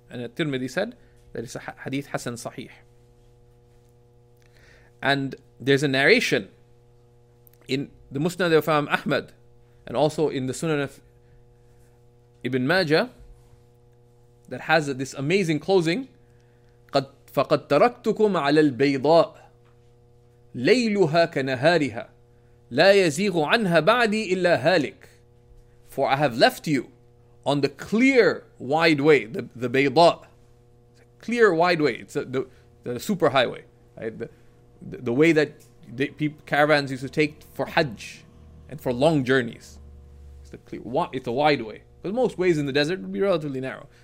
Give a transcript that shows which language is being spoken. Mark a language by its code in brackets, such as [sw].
[en] And Tirmidhi said that it's a hadith Hasan Sahih. And there's a narration in the Musnad of Imam Ahmad and also in the Sunan of Ibn Majah that has this amazing closing. [ar] فَقَدْ تَرَكْتُكُمْ عَلَى الْبَيْضَاءِ لَيْلُهَا كَنَهَارِهَا لا يزيغ عنها بعدي إلا هالك. [en] For I have left you on the clear wide way, the Bayda, clear wide way. It's the super highway, right? The way that the people, caravans used to take for Hajj and for long journeys. It's the clear, it's a wide way. But most ways in the desert would be relatively narrow.